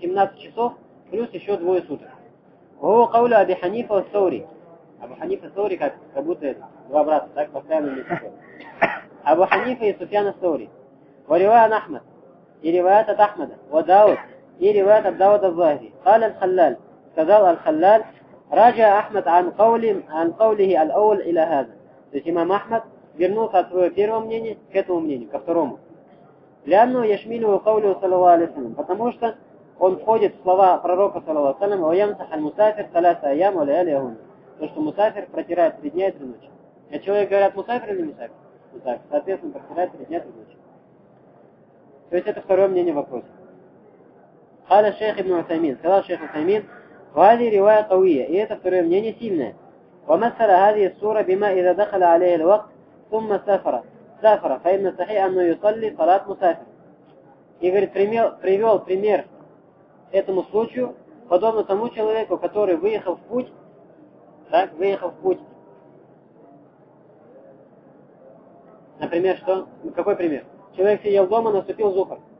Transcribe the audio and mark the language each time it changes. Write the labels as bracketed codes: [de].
[ru] 17 часов плюс еще 2 суток. [ar] Ва каулю аби ханифа ва саури. [ru] Абу Ханифа Саури, как будто два брата, так, постоянно не сходят. Абу Ханифа и Суфьяна Саури. [ar] Ва риваят Ахмад. [ru] И риваят от Ахмада. [ar] Ва Дауд. [ru] И риваят от Дауда Аз-Захри. [ar] Каля Аль-Халлаль. [ru] Сказал Аль-Халлаль. [ar] راجع أحمد عن قوله الأول إلى هذا. [ru] То есть имам Ахмад вернулся от своего первого мнения к этому мнению, ко второму. [ar] Лянну яшмилю кавлю саллаллаху алейхи ва саллям. [ru] Потому что он входит в слова пророка саллаллаху алейхи ва саллям: [ar] «Ваямсах аль-мусафир саляса айям ва лайали ягум». [ru] То, что мусафир протирает 3 дня и 3 ночи. А человек говорит, мусафир или мусафир? Мусафир. Соответственно, протирает 3 дня и 3 ночи. То есть это второе мнение вопроса. [ar] Хала шейх ибн Усаймин. [ru] Сказал шейх Усаймин: [ar] «Вали ривая кавия». [ru] И это второе мнение сильное. [ar] ومثل هذه الصورة بما إذا دخل عليه الوقت ثم سافر فإن صحيح أنه يصلي صلاة مسافر. [ru] И говорит, привел пример этому случаю, подобно тому человеку, который выехал в путь, так, выехал в путь. Например, что? Какой пример? Человек сидел дома, наступил зухр.